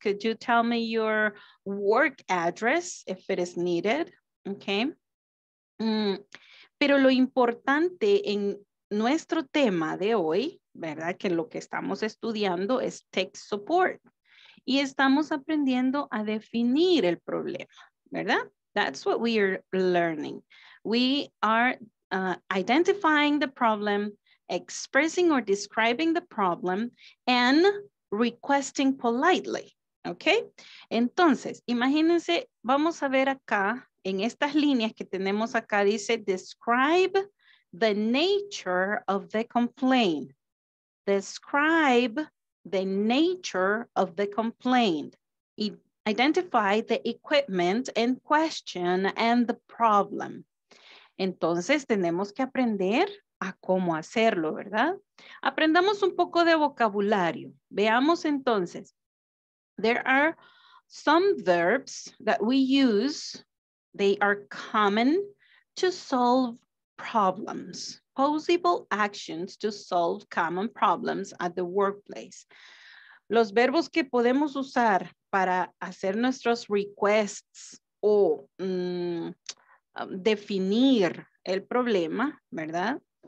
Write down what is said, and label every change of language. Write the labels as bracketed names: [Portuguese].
[English] Could you tell me your work address if it is needed? Okay. [Spanish] Pero lo importante en nuestro tema de hoy, ¿verdad? Que lo que estamos estudiando es tech support. Y estamos aprendiendo a definir el problema, ¿verdad? [English] That's what we are learning. We are identifying the problem, expressing or describing the problem, and requesting politely, ¿okay? [Spanish] Entonces, imagínense, vamos a ver acá, en estas líneas que tenemos acá dice, [English] describe the nature of the complaint. Describe the nature of the complaint. Identify the equipment in question and the problem. [Spanish] Entonces tenemos que aprender a cómo hacerlo, ¿verdad? Aprendamos un poco de vocabulario. Veamos entonces. [English] There are some verbs that we use. They are common to solve problems, possible actions to solve common problems at the workplace. [Spanish] Los verbos que podemos usar para hacer nuestros requests o definir el problema, ¿verdad?